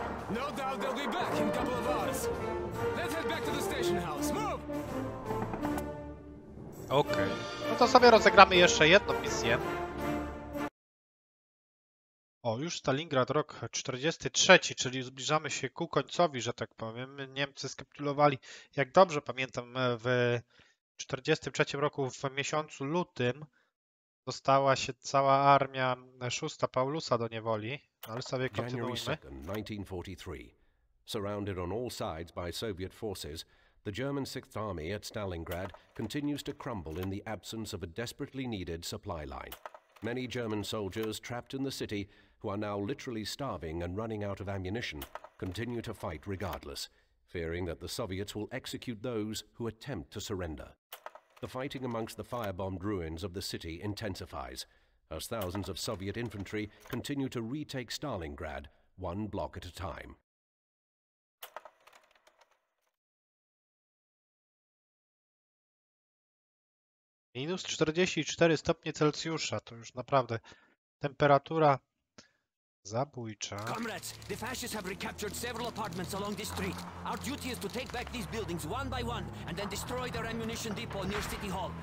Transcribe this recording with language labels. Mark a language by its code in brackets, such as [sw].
[en] No doubt they'll be back in a couple of hours. Let's head back to the station house. Move. [pl] Okej. No to sobie rozegramy jeszcze jedną misję. O, już Stalingrad, rok 43, czyli zbliżamy się ku końcowi, że tak powiem. Niemcy skapitulowali, jak dobrze pamiętam, w 43 roku w miesiącu lutym dostała się cała armia szósta Paulusa do niewoli, ale sobie kontynuujmy. [en] January 2nd, 1943. Surrounded on all sides by Soviet forces, the German 6th Army at Stalingrad continues to crumble in the absence of a desperately needed supply line. Many German soldiers trapped in the city, who are now literally starving and running out of ammunition, continue to fight regardless, fearing that the Soviets will execute those who attempt to surrender. The fighting amongst the firebombed ruins of the city intensifies, as thousands of Soviet infantry continue to retake Stalingrad, one block at a time. [pl] Minus 44 stopnie Celsjusza, to już naprawdę temperatura zabójcza. [en] Comrades, the fascists have recaptured several apartments along this street. Our duty is to take back these buildings one by one and then destroy their ammunition depot near City Hall.